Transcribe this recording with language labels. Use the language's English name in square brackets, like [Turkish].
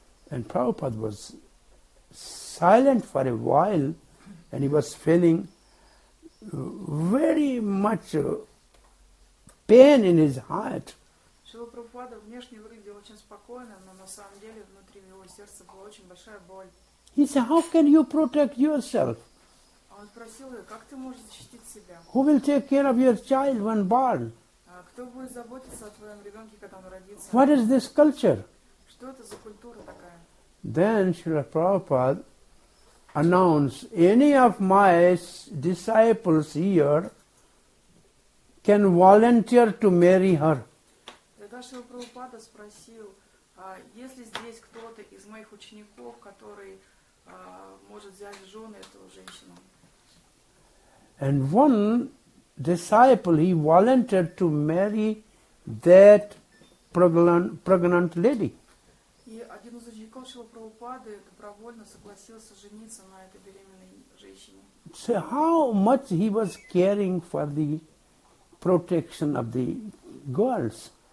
[English] And Prabhupada was silent for a while, and he was feeling very much pain in his heart. [Russian] Шрила Прабхупада внешне выглядел очень спокойно, но на самом деле внутри его сердца была очень большая боль. [English] He said, "How can you protect yourself? [Russian] Он спросил ее, как ты можешь защитить себя? [English] Who will take care of your child when born? [Russian] Кто будет заботиться о твоем ребенке, когда он родится? [English] What is this culture? [Russian] Что это за культура такая? [English] Then Шрила Прабхупада announced, any of my disciples here can volunteer to marry her. [Russian] Шрила Прабхупада спросил, есть ли здесь кто-то из моих учеников, который может взять в жены эту женщину? [English] And one disciple, he volunteered to marry that pregnant lady. [Russian] И один из учеников Шрила Прабхупады добровольно согласился жениться на этой беременной женщине. [English] So how much he was caring for the protection of the girls.